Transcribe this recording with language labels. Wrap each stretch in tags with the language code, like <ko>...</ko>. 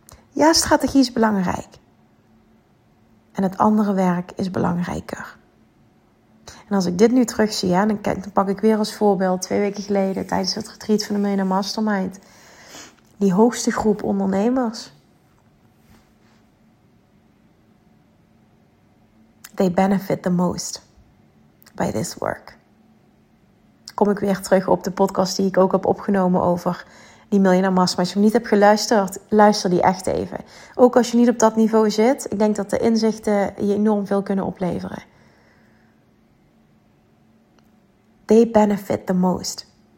<nl>Ja, strategie is belangrijk. En het andere werk is belangrijker. En als ik dit nu terugzie, ja, dan pak ik weer als voorbeeld 2 weken geleden tijdens het retreat van de Millionaire Mastermind. Die hoogste groep ondernemers.</nl> <en>They benefit the most by this work.</en> <nl>Kom ik weer terug op de podcast die ik ook heb opgenomen over die Millionaire Mastermind. Als je hem niet hebt geluisterd, luister die echt even. Ook als je niet op dat niveau zit, ik denk dat de inzichten je enorm veel kunnen opleveren.</nl> <en>They benefit the most.</en>